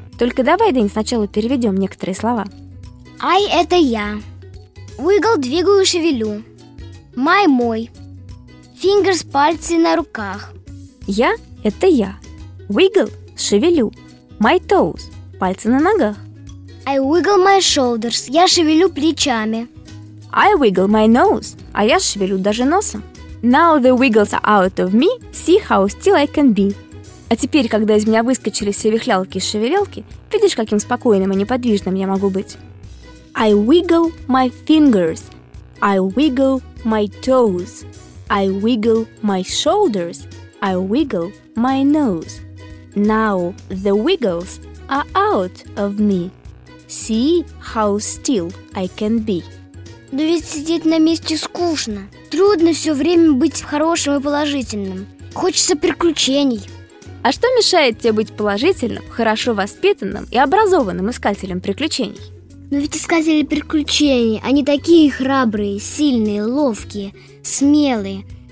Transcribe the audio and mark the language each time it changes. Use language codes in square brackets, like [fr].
[ru] Только давай, Дэнь, сначала переведем некоторые слова. I – это я. Wiggle – двигаю и шевелю. My – мой. Fingers – пальцы на руках. Я – это я. Wiggle – шевелю. My toes – пальцы на ногах. [en] I wiggle my shoulders – [ru] я шевелю плечами. [en] I wiggle my nose [ru] – а я шевелю даже носом. [en] Now the wiggles are out of me, see how still I can be. [ru] А теперь, когда из меня выскочили все вихлялки и шевелелки, видишь, каким спокойным и неподвижным я могу быть. [en] I wiggle my fingers. I wiggle my toes. I wiggle my shoulders, I wiggle my nose. Now the wiggles are out of me. See how still I can be. [ru] Но ведь сидеть на месте скучно. Трудно все время быть хорошим и положительным. Хочется приключений. А что мешает тебе быть положительным, хорошо воспитанным и образованным искателем приключений? Но ведь искатели приключений, они такие храбрые, сильные, ловкие, смелые.